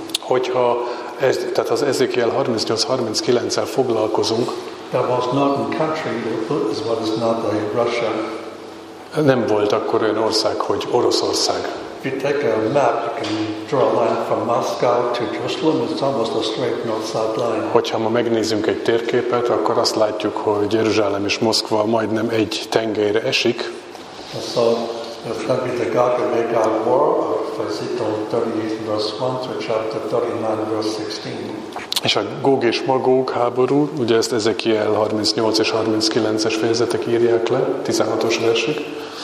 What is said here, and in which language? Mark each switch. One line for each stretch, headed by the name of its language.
Hungarian: hogyha ez, tehát az Ezekiel 38-39-el foglalkozunk,
English: that was not a country, as well as not a Russia.
Hungarian: Nem volt akkor olyan ország, hogy Oroszország.
English: If you take a map, you can draw a line from Moscow to Jerusalem. It's almost a straight north-south line.
Hungarian: Hogyha ma megnézzünk egy térképet, akkor azt látjuk, hogy Jeruzsálem és Moszkva majdnem egy tengelyre esik.
English: So, if that be the Gog and Magog war of Ezekiel 38 verse 1 to chapter 39 verse 16.
Hungarian: És a Gog és Magog háború, ugye ezt Ezekiel 38 és 39-es fejezetek írják le, 16-os versük.